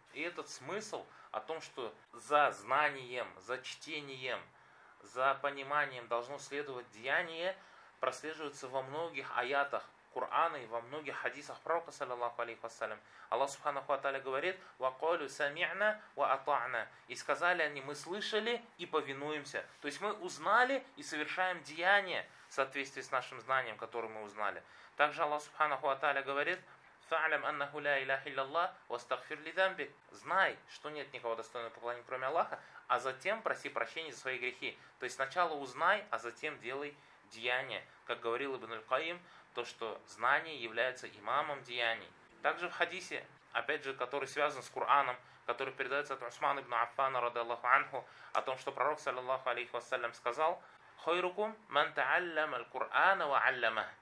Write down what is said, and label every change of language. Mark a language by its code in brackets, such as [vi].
[ru] И этот смысл о том, что за знанием, за чтением, за пониманием должно следовать деяние, прослеживается во многих аятах Кур'ана и во многих хадисах пророка, саллиллаху алейхи вассалям. Аллах субханаху ва тааля говорит: [ar] «Вакалю сами'на ва ата'на». [ru] И сказали они: «Мы слышали и повинуемся». То есть мы узнали и совершаем деяние в соответствии с нашим знанием, которое мы узнали. Также Аллах субханаху ва тааля говорит: [ar] فَعْلَمْ أَنَّهُ لَا إِلَهِ إِلَّا اللَّهِ وَاسْتَغْفِرْ لِذَنْبِكَ. [ru] Знай, что нет никого достойного поклонения, кроме Аллаха, а затем проси прощения за свои грехи. То есть сначала узнай, а затем делай деяния. Как говорил Ибн Аль-Каим, то, что знание является имамом деяний. Также в хадисе, опять же, который связан с Кур'аном, который передается от Усмана ибн Аффана, رضي الله عنه, о том, что пророк, саллиллаху алейхи вассалям, сказал: [ar] خَيْرُكُمْ مَنْ تَعَلَّمَ الْقُرْآنَ وَعَلَّمَهُ.